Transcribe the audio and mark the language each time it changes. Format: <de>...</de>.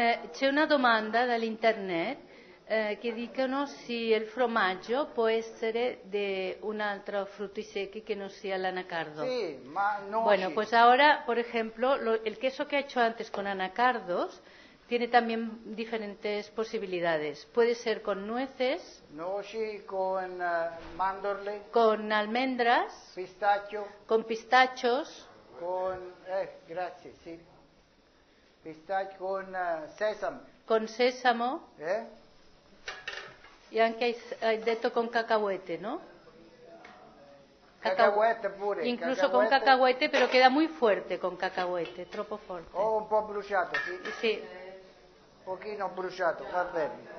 <it>C'è una domanda dall'internet. Che dicono se il formaggio può essere di un altro frutti secchi che non sia l'anacardo. Sì, ma non.</it> <es>Bueno, pues ahora, por ejemplo, el queso que ha hecho antes con anacardos tiene también diferentes posibilidades. Puede ser con nueces.</es> <it>Noci, con mandorle.</it> <es>Con almendras.</es> <it>Pistacchio.</it> <es>Con pistachos. Con, gracias, sí. Pistacchio, con sésamo. Con sésamo. Y aunque hay dicho con cacahuete, ¿no?</es> <it>Cacahuete pure.</it> <es>Incluso cacahuete. Con cacahuete, pero queda muy fuerte con cacahuete,</es> <it>troppo forte. O un po' bruciato, sì.</it> <es>Sí. Sí.</es> <it>Un pochino bruciato, va bene.</it>